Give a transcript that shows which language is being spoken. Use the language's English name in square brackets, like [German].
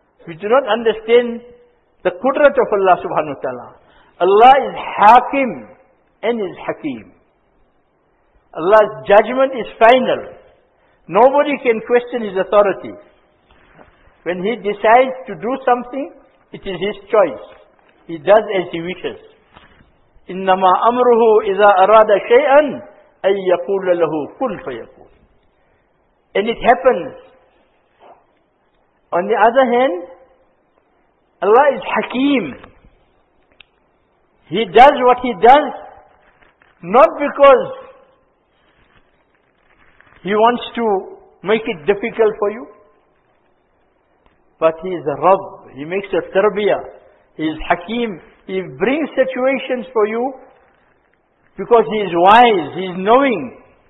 [English] We do not understand the qudrat of Allah subhanahu wa ta'ala. Allah is hakim and is hakim. Allah's judgment is final. Nobody can question his authority. When he decides to do something, it is his choice. He does as he wishes. [Arabic] إِنَّمَا أَمْرُهُ إِذَا أَرَادَ شَيْئًا أَن يَقُولَ لَهُ كُنْ فَيَكُونَ. [English] And it happens. On the other hand, Allah is Hakim. He does what he does, not because he wants to make it difficult for you, but he is a Rabb, he makes a Tarbiyah, he is Hakim, he brings situations for you because he is wise, he is knowing.